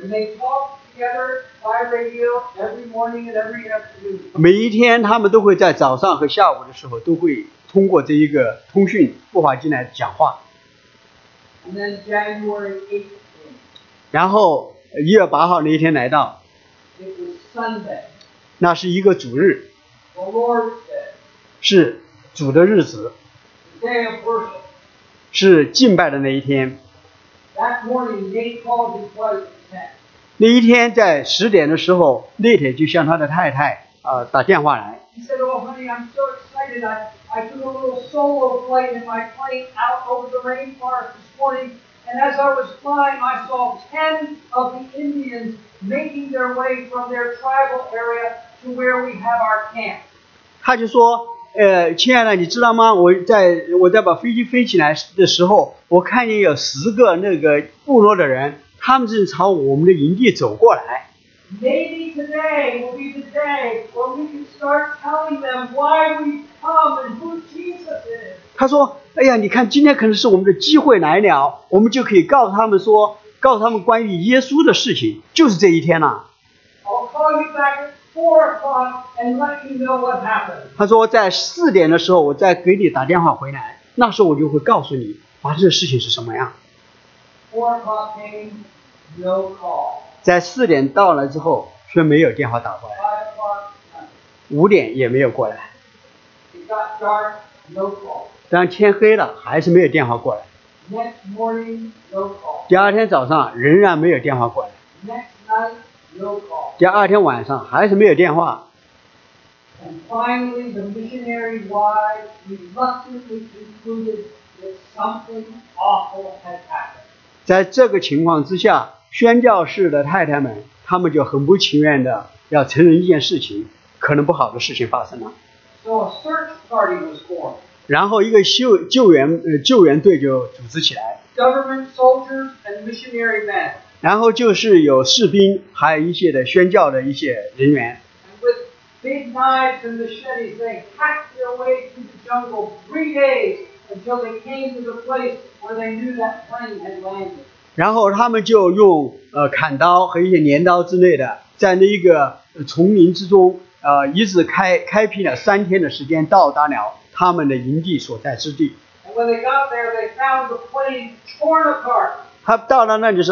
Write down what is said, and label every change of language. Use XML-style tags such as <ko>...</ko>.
<en>And they talk together by radio every morning and every afternoon.</en> <zh>每一天他们都会在早上和下午的时候都会通过这一个通讯步话机来讲话。</zh> <en>And then January 18th.</en> <zh>然后1月8号那一天来到。</zh> <en>It was Sunday.</en> <zh>那是一个主日。</zh> <en>The Lord's Day.</en> <zh>是主的日子。</zh> <en>The day of worship.</en> <zh>是敬拜的那一天。</zh> <en>That morning they called his wife.</en> <zh>那一天在10点的时候， Nate 就向他的太太打电话来。</zh> <en>He said, "Oh honey, I'm so excited. I took a little solo flight in my plane out over the rainforest this morning. And as I was flying, I saw 10 of the Indians making their way from their tribal area to where we have our camp."</en> <zh>他就说， 亲爱的，你知道吗？我在把飞机飞起来的时候，我看见有10个那个部落的人， 他们正朝我们的营地走过来。</zh> <en>Maybe today will be the day when we can start telling them why we've come and who Jesus is.</en> <zh>他说，哎呀，你看今天可能是我们的机会来了，我们就可以告诉他们说，告诉他们关于耶稣的事情，就是这一天了。</zh> <en>I'll call you back at 4 o'clock and let you know what happened.</en> <zh>他说在4点的时候我再给你打电话回来, 那时候我就会告诉你, 发生的事情是什么样。</zh> <en>4 o'clock came, no call.</en> <zh>在4点到了之后, 却没有电话打过来。 5点也没有过来。</zh> <en>It got dark, no call.</en> <zh>当天黑了, 还是没有电话过来。</zh> <en>Next morning, no call.</en> <zh>第二天早上, 仍然没有电话过来。</zh> <en>Next night, no call.</en> <zh>第二天晚上, 还是没有电话。</zh> <en>And finally, the missionary wife reluctantly concluded that something awful had happened.</en> <zh>在这个情况之下, 宣教士的太太们, 他们就很不情愿地要承认一件事情, 可能不好的事情发生了。</zh> <en>So a search party was formed.</en> <zh>然后一个救援队就组织起来。</zh> <en>Government soldiers and missionary men.</en> <zh>然后就是有士兵, 还有一些的宣教的一些人员。</zh> <en>And with big knives and machetes, they hacked their way through the jungle 3 days until they came to the place where they knew that plane had landed.</en> <zh>然后他们就用砍刀和一些镰刀之类的，在那一个丛林之中，一直开辟了3天的时间，到达了他们的营地所在之地。</zh> <en>And when they got there, they found the plane torn apart.</en>